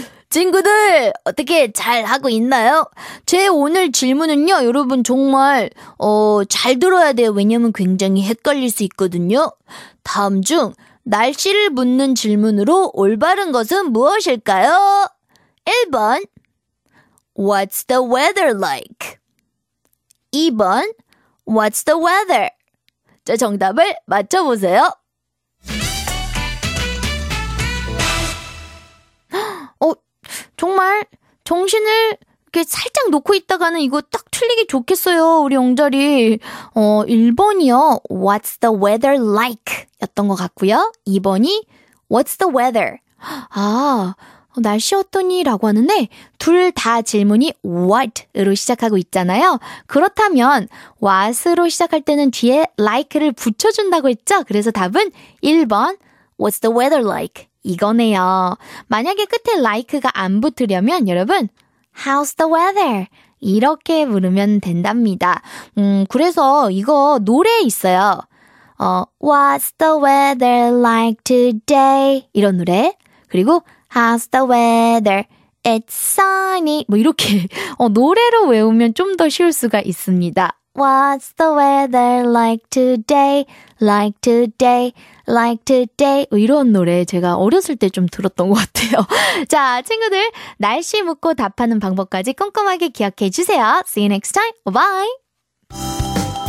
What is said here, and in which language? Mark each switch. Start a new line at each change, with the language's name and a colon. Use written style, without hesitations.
Korean: 친구들, 어떻게 잘 하고 있나요? 제 오늘 질문은요, 여러분 정말 잘 들어야 돼요. 왜냐면 굉장히 헷갈릴 수 있거든요. 다음 중 날씨를 묻는 질문으로 올바른 것은 무엇일까요?
English: 1번 What's the weather like?
Korean: 2번
English: What's the weather?
Korean: 자, 정답을 맞춰보세요. 정말 정신을 이렇게 살짝 놓고 있다가는 이거 딱 틀리기 좋겠어요. 우리 영절이. 1번이요.
English: What's the weather like?
Korean: 였던 것 같고요.
English: 2번이 What's the weather?
Korean: 아, 날씨 어떠니? 라고 하는데 둘 다 질문이 what으로 시작하고 있잖아요. 그렇다면 what으로 시작할 때는 뒤에 like를 붙여준다고 했죠? 그래서 답은 1번
English: What's the weather like?
Korean: 이거네요. 만약에 끝에 like가 안 붙으려면 여러분
English: How's the weather?
Korean: 이렇게 부르면 된답니다. 그래서 이거 노래 있어요.
English: What's the weather like today?
Korean: 이런 노래. 그리고
English: How's the weather? It's sunny.
Korean: 뭐 이렇게 노래로 외우면 좀 더 쉬울 수가 있습니다.
English: What's the weather like today? Like today? Like today?
Korean: 이런 노래 제가 어렸을 때 좀 들었던 것 같아요. 자, 친구들 날씨 묻고 답하는 방법까지 꼼꼼하게 기억해 주세요.
English: See you next time. Bye.